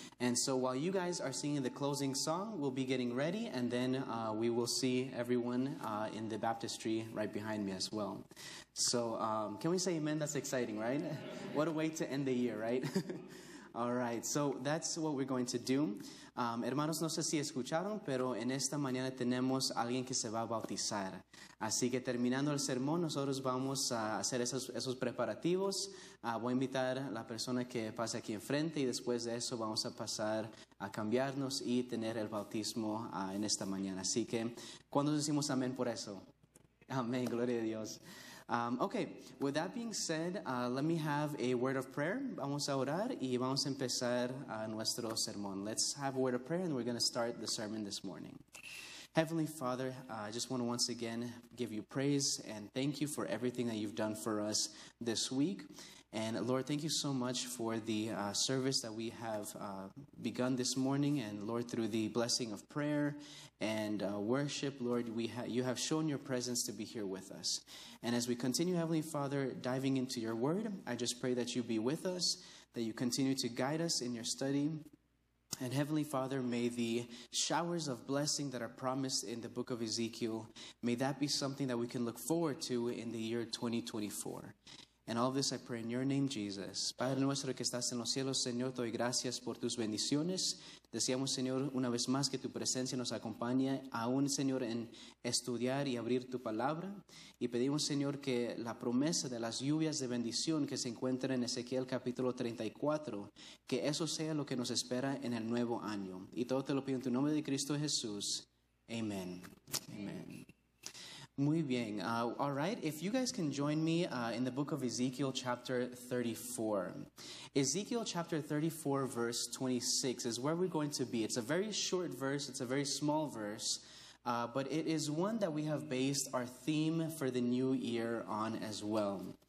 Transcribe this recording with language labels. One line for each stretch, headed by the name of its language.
English: And so while you guys are singing the closing song, we'll be getting ready. And then we will see everyone in the baptistry right behind me as well. So can we say amen? That's exciting, right? What a way to end the year, right? All right, so that's what we're going to do.
Spanish: Hermanos, no sé si escucharon, pero en esta mañana tenemos alguien que se va a bautizar. Así que terminando el sermón, nosotros vamos a hacer esos preparativos. Voy a invitar a la persona que pase aquí enfrente y después de eso vamos a pasar a cambiarnos y tener el bautismo en esta mañana. Así que, ¿cuándo decimos amén por eso? Amén, gloria a Dios.
English: Okay, with that being said, let me have a word of prayer.
Spanish: Vamos a orar y vamos a empezar nuestro sermón.
English: Let's have a word of prayer and we're going to start the sermon this morning. Heavenly Father, I just want to once again give you praise and thank you for everything that you've done for us this week. And Lord, thank you so much for the service that we have begun this morning. And Lord, through the blessing of prayer and worship, Lord, you have shown your presence to be here with us. And as we continue, Heavenly Father, diving into your word, I just pray that you be with us, that you continue to guide us in your study. And Heavenly Father, may the showers of blessing that are promised in the book of Ezekiel, may that be something that we can look forward to in the year 2024. And all this I pray in your name, Jesus.
Spanish: Padre nuestro que estás en los cielos, Señor, te doy gracias por tus bendiciones. Deseamos, Señor, una vez más que tu presencia nos acompañe, aún, Señor, en estudiar y abrir tu palabra. Y pedimos, Señor, que la promesa de las lluvias de bendición que se encuentra en Ezequiel capítulo 34, que eso sea lo que nos espera en el nuevo año. Y todo te lo pido en tu nombre de Cristo Jesús.
English: Amen. Amen.
Spanish: Muy bien.
English: All right. If you guys can join me in the book of Ezekiel chapter 34. Ezekiel chapter 34 verse 26 is where we're going to be. It's a very short verse. It's a very small verse. But it is one that we have based our theme for the new year on as well.